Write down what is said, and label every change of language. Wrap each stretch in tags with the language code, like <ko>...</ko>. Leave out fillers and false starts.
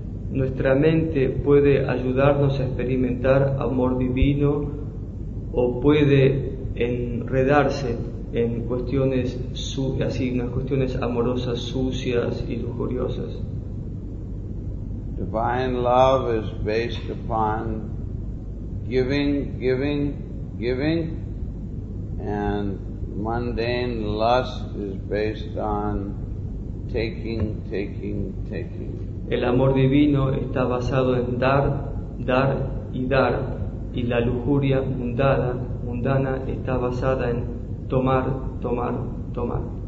<es>Nuestra mente puede ayudarnos a experimentar amor divino o puede enredarse en cuestiones cuestiones amorosas sucias y lujuriosas.</es> <en>Divine love is based upon giving, giving, giving, and mundane lust is based on taking, taking, taking.</en> <es>El amor divino está basado en dar, dar y dar, y la lujuria mundana está basada en tomar, tomar, tomar.</es>